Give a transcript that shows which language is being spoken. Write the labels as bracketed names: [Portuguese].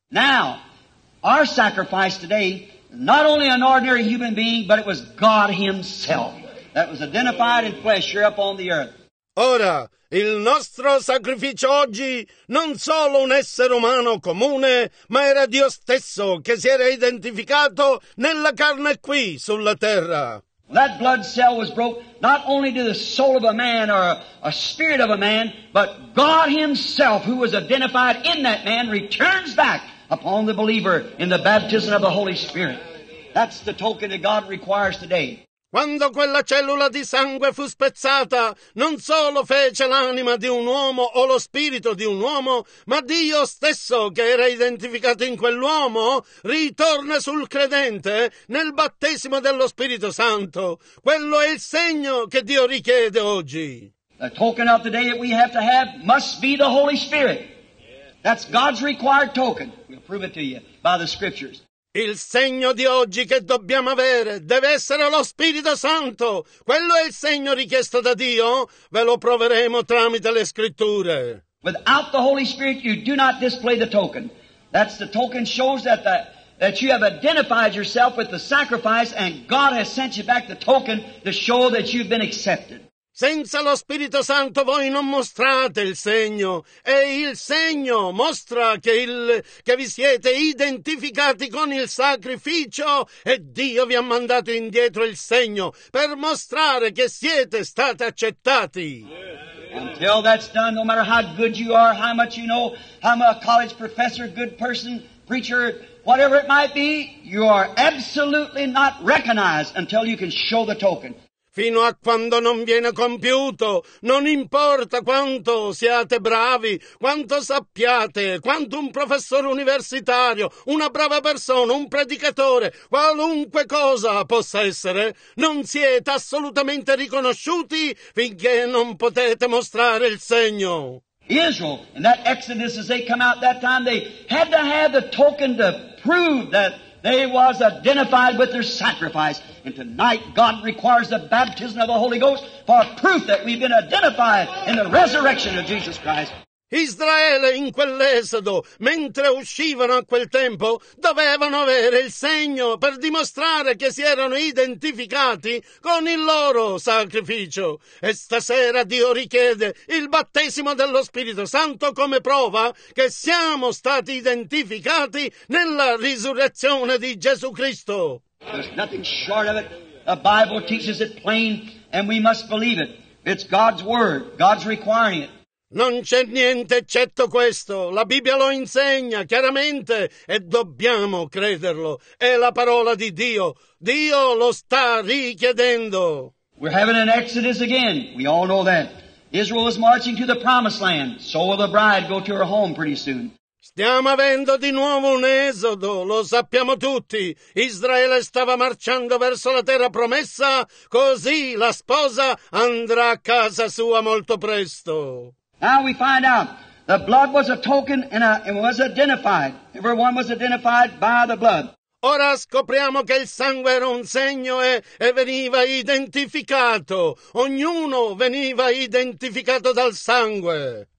[English] Now, our sacrifice today, not only an ordinary human being, but it was God Himself that was identified in flesh here upon the earth. [Italian] Ora, il nostro sacrificio oggi, non solo un essere umano comune, ma era Dio stesso che si era identificato nella carne qui, sulla terra. [English] That blood cell was broke not only to the soul of a man or a spirit of a man, but God Himself, who was identified in that man, returns back upon the believer in the baptism of the Holy Spirit. That's the token that God requires today. [Italian] Quando quella cellula di sangue fu spezzata, non solo fece l'anima di un uomo o lo spirito di un uomo, ma Dio stesso che era identificato in quell'uomo, ritorna sul credente nel battesimo dello Spirito Santo. Quello è il segno che Dio richiede oggi. [English] The token of the day that we have to have must be the Holy Spirit. That's God's required token. We'll prove it to you by the scriptures. [Italian] Il segno di oggi che dobbiamo avere deve essere lo Spirito Santo. Quello è il segno richiesto da Dio. Ve lo proveremo tramite le scritture. [English] Without the Holy Spirit, you do not display the token. That's the token shows that you have identified yourself with the sacrifice and God has sent you back the token to show that you've been accepted. [Italian] Senza lo Spirito Santo voi non mostrate il segno, e il segno mostra che vi siete identificati con il sacrificio e Dio vi ha mandato indietro il segno per mostrare che siete stati accettati. [English] Until that's done, no matter how good you are, how much you know, how much a college professor, good person, preacher, whatever it might be, you are absolutely not recognized until you can show the token. [Italian] Fino a quando non viene compiuto, non importa quanto siate bravi, quanto sappiate, quanto un professore universitario, una brava persona, un predicatore, qualunque cosa possa essere, non siete assolutamente riconosciuti finché non potete mostrare il segno. [English] Israel, in that Exodus, as they come out that time, they had to have the token to prove that they was identified with their sacrifice. And tonight God requires the baptism of the Holy Ghost for proof that we've been identified in the resurrection of Jesus Christ. [Italian] Israele in quell'esodo, mentre uscivano a quel tempo, dovevano avere il segno per dimostrare che si erano identificati con il loro sacrificio. E stasera Dio richiede il battesimo dello Spirito Santo come prova che siamo stati identificati nella risurrezione di Gesù Cristo. [English] There's nothing short of it. The Bible teaches it plain and we must believe it. It's God's word. God's requiring it. [Italian] Non c'è niente eccetto questo. La Bibbia lo insegna chiaramente e dobbiamo crederlo. È la parola di Dio. Dio lo sta richiedendo. [English] We're having an Exodus again. We all know that. Israel is marching to the promised land. So will the bride go to her home pretty soon. [Italian] Stiamo avendo di nuovo un esodo, lo sappiamo tutti. Israele stava marciando verso la terra promessa, così la sposa andrà a casa sua molto presto. [English] Now we find out the blood was a token and it was identified. Everyone was identified by the blood. [Italian] Ora scopriamo che il sangue era un segno e veniva identificato. Ognuno veniva identificato dal sangue.